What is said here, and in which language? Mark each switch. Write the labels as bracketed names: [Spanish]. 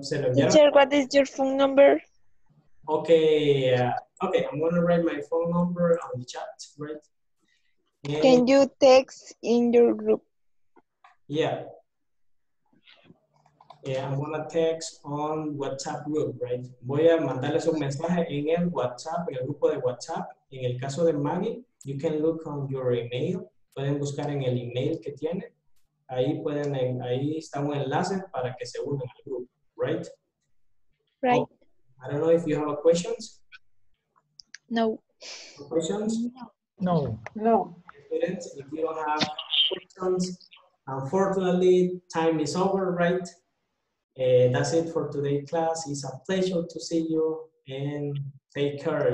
[English] teacher, what is your phone number? Okay, I'm gonna write my phone number on the chat, right? And can you text in your group? Yeah, I'm gonna text on WhatsApp group, right? [Spanish] Voy a mandarles un mensaje en el WhatsApp, en el grupo de WhatsApp. En el caso de [English] Maggie, you can look on your email. [Spanish] Pueden buscar en el email que tiene. Ahí está un enlace para que se unan al grupo, right? [English] Right. Oh, I don't know if you have questions. No. Questions? No. No. Students, if you don't have questions, unfortunately, time is over, right? That's it for today's class. It's a pleasure to see you and take care.